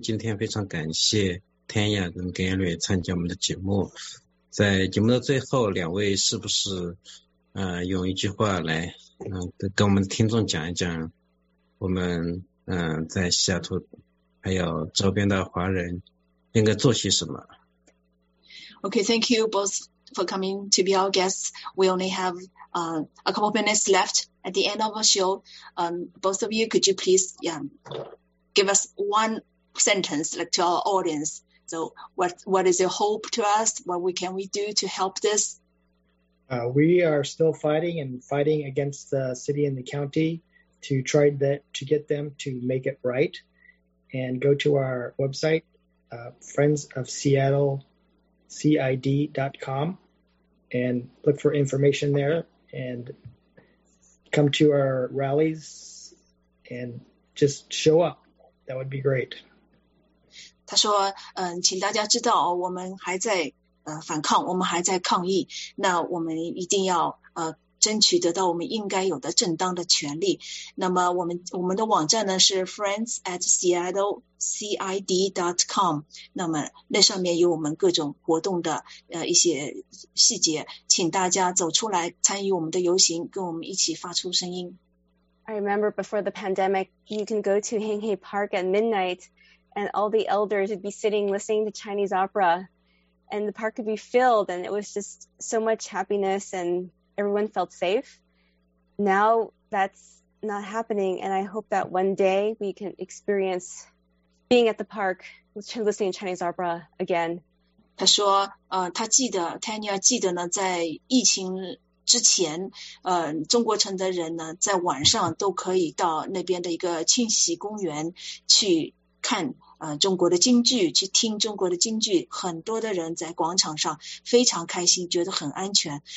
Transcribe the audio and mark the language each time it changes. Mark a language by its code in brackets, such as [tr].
[zh] 今天非常感谢天雅跟 Gary 参加我们的节目。在节目的最后，两位是不是用一句话来跟我们的听众讲一讲我们在西雅图还有周边的华人应该做些什么。 [en] Okay, thank you both for coming to be our guests. We only have a couple of minutes left at the end of our show. Both of you, could you please give us one sentence, like to our audience, So what is your hope to us? What can we do to help this? We are still fighting against the city and the county to try to get them to make it right. And go to our website, friendsofseattlecid.com, and look for information there and come to our rallies and just show up. That would be great. [zh] 他说，请大家知道，我们还在反抗，我们还在抗议，那我们一定要争取得到我们应该有的正当的权利。那么我们的网站呢是 friendsatseattlecid.com， 那么那上面有我们各种活动的一些细节，请大家走出来参与我们的游行，跟我们一起发出声音。 [en] I remember before the pandemic, you can go to Hinghe Park at midnight, and all the elders would be sitting listening to Chinese opera, and the park would be filled, and it was just so much happiness and everyone felt safe. Now that's not happening, and I hope that one day we can experience being at the park listening to Chinese opera again. [zh] 他说，他记得 Tanya 记得呢，在疫情之前，中国城的人呢，在晚上都可以到那边的一个清溪公园去看中国的京剧，去听中国的京剧，很多的人在广场上非常开心，觉得很安全。